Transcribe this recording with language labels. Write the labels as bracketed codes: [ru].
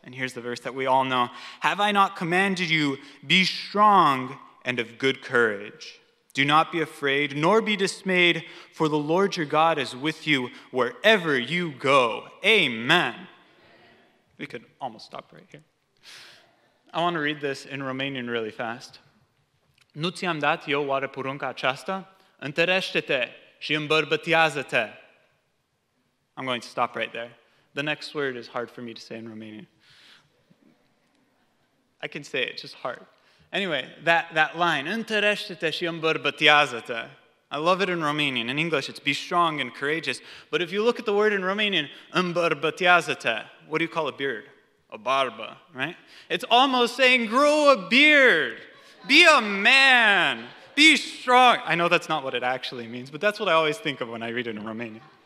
[en] And here's the verse that we all know. Have I not commanded you, be strong and of good courage? Do not be afraid, nor be dismayed, for the Lord your God is with you wherever you go. Amen. We could almost stop right here. I want to read this in Romanian really fast. [ro] Nu ți-am dat eu oare porunca aceasta? Întărește-te și îmbărbătează-te. [en] I'm going to stop right there. The next word is hard for me to say in Romanian. I can say it, just hard. Anyway, that line, [ro] întărește-te și îmbărbătează-te. [en] I love it in Romanian. In English, it's be strong and courageous. But if you look at the word in Romanian, îmbărbătează-te, what do you call a beard? A barba, right? It's almost saying, grow a beard. Be a man. Be strong. I know that's not what it actually means, but that's what I always think of when I read it in Romanian.